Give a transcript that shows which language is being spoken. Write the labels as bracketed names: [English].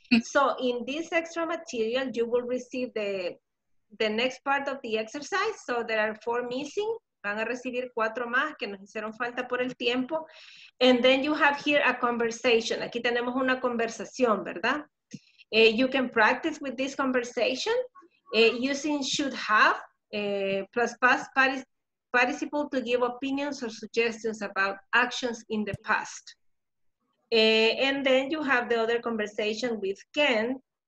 [English] So, in this extra material, you will receive the next part of the exercise. So, there are 4 missing. [Spanish] Van a recibir cuatro más que nos hicieron falta por el tiempo. [English] And then you have here a conversation. [Spanish] Aquí tenemos una conversación, ¿verdad? [English] You can practice with this conversation using should have plus past participle to give opinions or suggestions about actions in the past. And then you have the other conversation with Ken.